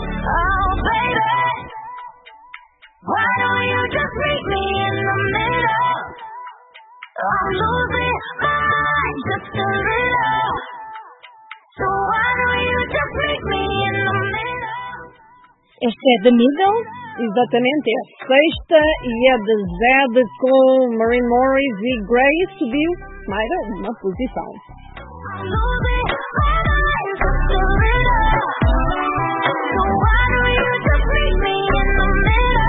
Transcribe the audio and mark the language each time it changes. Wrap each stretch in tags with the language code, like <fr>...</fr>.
<en>Oh, baby, why don't you just meet me in the middle? I'm losing my mind just a little. So why don't you just meet me in the middle? Is that the middle?</en> <pt>Exatamente, é a sexta e é de Zed com Maureen Morris e Gray subiu mais uma posição.</pt> <en>Why don't you just meet me in the middle?</en>